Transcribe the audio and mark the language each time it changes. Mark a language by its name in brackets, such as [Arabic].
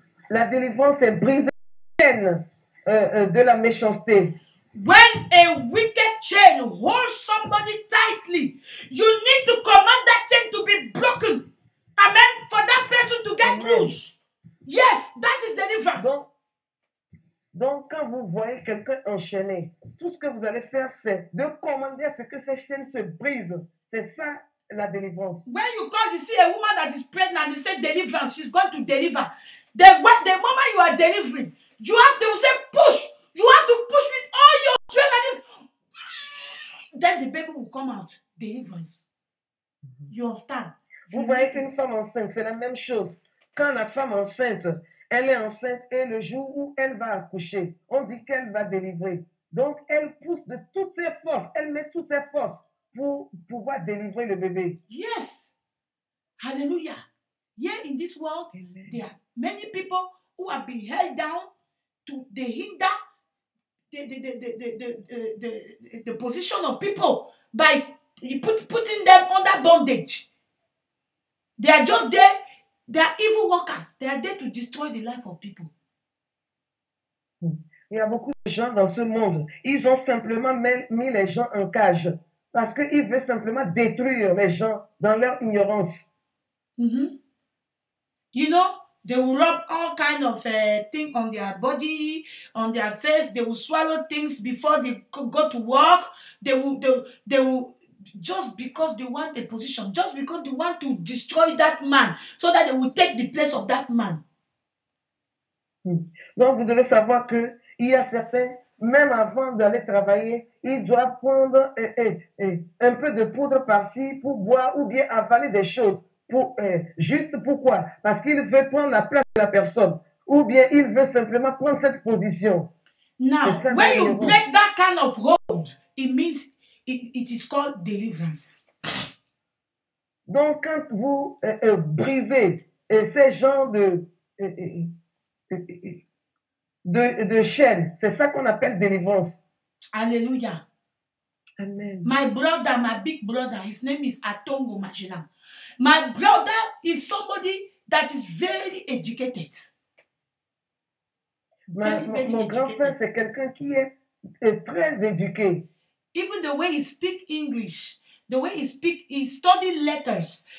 [French] La délivrance est briser les chaînes de la méchanceté. [English] When a wicked chain holds somebody tightly, you need to command that chain to be broken. Amen. For that person to get loose. Yes, that is deliverance. [French] Donc, quand vous voyez quelqu'un enchaîné, tout ce que vous allez faire, c'est de commander à ce que ces chaînes se brisent. C'est ça, la délivrance. [English] When you call, you see a woman that is pregnant and you say deliverance, she's going to deliver. The moment you are delivering, you have to say push. You have to push with all your strength. And then the baby will come out. Deliverance. You understand? [French] Vous voyez qu'une femme enceinte, c'est la même chose. Quand la femme enceinte, elle est enceinte et le jour où elle va accoucher, on dit qu'elle va délivrer. Donc, elle pousse de toutes ses forces. Elle met toutes ses forces pour pouvoir délivrer le bébé. [English] Yes. Hallelujah. Here in this world, amen, there are many people who have been held down to the hinder the position of people by putting them under bondage. They are just there. They are evil workers. They are there to destroy the life of people. [French] Il y a beaucoup de gens dans ce monde. Ils ont simplement mis les gens en cage parce qu'ils veulent simplement détruire les gens dans leur ignorance. Mm-hmm. [English] You know, they will rub all kind of thing on their body, on their face. They will swallow things before they go to work. They will just because they want a position, just because they want to destroy that man, so that they will take the place of that man. [French] Donc, vous devez savoir que il y a certains, même avant d'aller travailler, ils doivent prendre un peu de poudre par-ci pour boire ou bien avaler des choses. Juste pourquoi? Parce qu'il veut prendre la place de la personne ou bien il veut simplement prendre cette position. [English] Now, when you break that kind of hold, it means it is called deliverance. [French] Donc, quand vous brisez ces genres de chaînes, c'est ça qu'on appelle délivrance. Alléluia. Amen. [English] My brother, my big brother, his name is Atongo Majina. My brother is somebody that is very educated. [French] Mon grand frère, c'est quelqu'un qui est très éduqué. [English] Even the way he speaks English, the way he speaks, he studied letters.